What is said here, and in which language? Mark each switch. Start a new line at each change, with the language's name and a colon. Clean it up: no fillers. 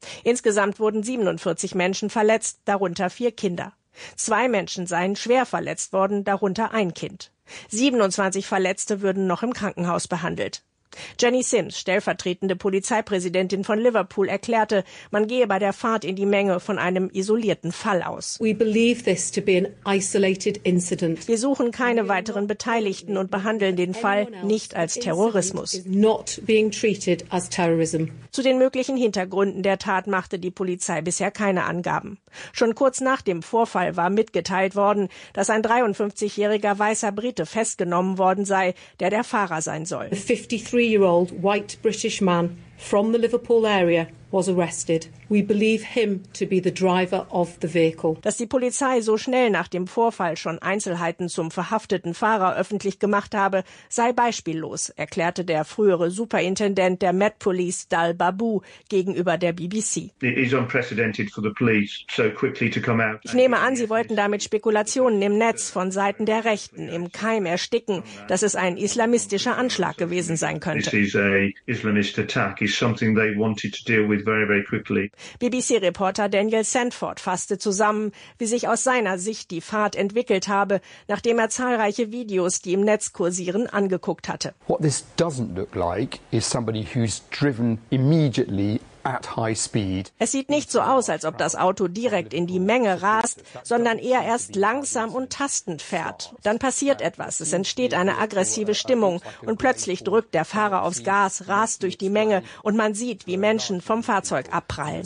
German: Insgesamt wurden 47 Menschen verletzt, darunter 4 Kinder. 2 Menschen seien schwer verletzt worden, darunter 1 Kind. 27 Verletzte würden noch im Krankenhaus behandelt. Jenny Sims, stellvertretende Polizeipräsidentin von Liverpool, erklärte, man gehe bei der Fahrt in die Menge von einem isolierten Fall aus.
English: We believe this to be an isolated incident.
German: Wir suchen keine weiteren Beteiligten und behandeln den Fall nicht als Terrorismus.
English: Not being treated as terrorism.
German: Zu den möglichen Hintergründen der Tat machte die Polizei bisher keine Angaben. Schon kurz nach dem Vorfall war mitgeteilt worden, dass ein 53-jähriger weißer Brite festgenommen worden sei, der Fahrer sein soll.
English: Three-year-old white British man from the Liverpool area was arrested. We believe him to be the driver of the vehicle.
German: Dass die Polizei so schnell nach dem Vorfall schon Einzelheiten zum verhafteten Fahrer öffentlich gemacht habe, sei beispiellos, erklärte der frühere Superintendent der Met Police, Dal Babu, gegenüber der BBC.
English: It is unprecedented for the police so quickly to come out.
German: Ich nehme an, sie wollten damit Spekulationen im Netz von Seiten der Rechten im Keim ersticken, dass es ein islamistischer Anschlag gewesen sein könnte.
English: This is a Islamist attack is something they wanted to deal with very, very quickly.
German: BBC-Reporter Daniel Sandford fasste zusammen, wie sich aus seiner Sicht die Fahrt entwickelt habe, nachdem er zahlreiche Videos, die im Netz kursieren, angeguckt hatte.
English: What this doesn't look like is somebody who's driven immediately.
German: Es sieht nicht so aus, als ob das Auto direkt in die Menge rast, sondern eher erst langsam und tastend fährt. Dann passiert etwas, es entsteht eine aggressive Stimmung und plötzlich drückt der Fahrer aufs Gas, rast durch die Menge und man sieht, wie Menschen vom Fahrzeug abprallen.